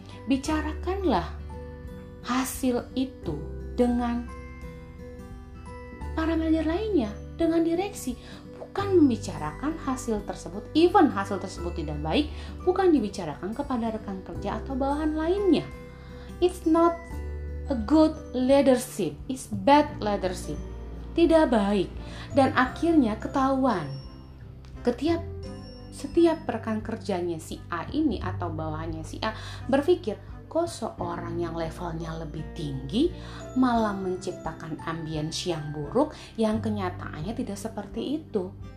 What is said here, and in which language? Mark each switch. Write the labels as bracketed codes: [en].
[id] Bicarakanlah hasil itu dengan para manajer lainnya, dengan direksi. Bukan membicarakan hasil tersebut, even hasil tersebut tidak baik, bukan dibicarakan kepada rekan kerja atau bawahan lainnya. [en] It's not a good leadership, it's bad leadership. [id] Tidak baik. Dan akhirnya ketahuan setiap rekan kerjanya si A ini atau bawahannya si A berpikir, kok seorang yang levelnya lebih tinggi malah menciptakan ambience yang buruk yang kenyataannya tidak seperti itu.